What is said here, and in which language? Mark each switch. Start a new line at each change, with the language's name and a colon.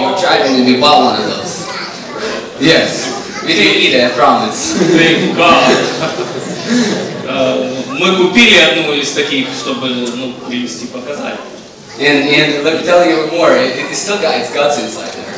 English: You're driving a big bad one of those. Yes, we didn't eat it, I promise. Big bad.
Russian: Мы купили одну из таких, чтобы, ну, привезти, показать.
English: And let me tell you more, it still got its guts inside there.